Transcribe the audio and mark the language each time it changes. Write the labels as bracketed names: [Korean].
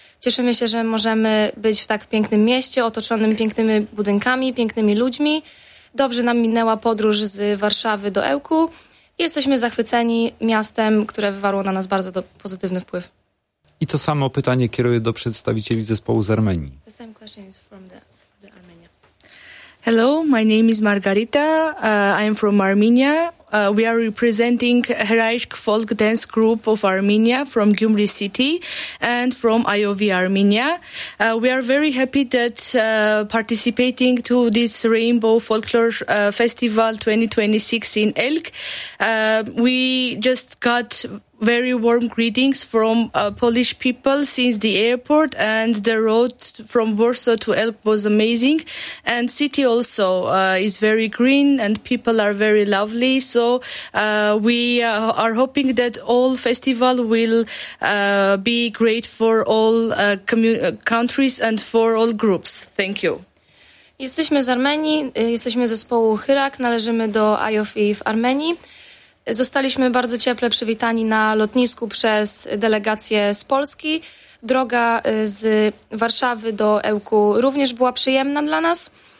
[Polish] Cieszymy się, że możemy być w tak pięknym mieście, otoczonym pięknymi budynkami, pięknymi ludźmi. Dobrze nam minęła podróż z Warszawy do Ełku. Jesteśmy zachwyceni miastem, które wywarło na nas bardzo pozytywny wpływ. I to samo pytanie kieruję do przedstawicieli zespołu z Armenii. [English] The same question is from the Armenia. Hello, my name is Margarita. I am from Armenia. We are representing Heraishk Folk Dance Group of Armenia from Gyumri City and from IOV Armenia. We are very happy that participating to this Rainbow Folklore Festival 2026 in Elk. We just got very warm greetings from Polish people since the airport, and the road from Warsaw to Elk was amazing, and city also is very green and people are very lovely. So we are hoping that all festival will be great for all countries and for all groups. Thank you. [Polish] Jesteśmy z Armenii, jesteśmy zespołu Hyrak, należymy do IOV w Armenii. Zostaliśmy bardzo cieple przywitani na lotnisku przez delegację z Polski. Droga z Warszawy do Ełku również była przyjemna dla nas.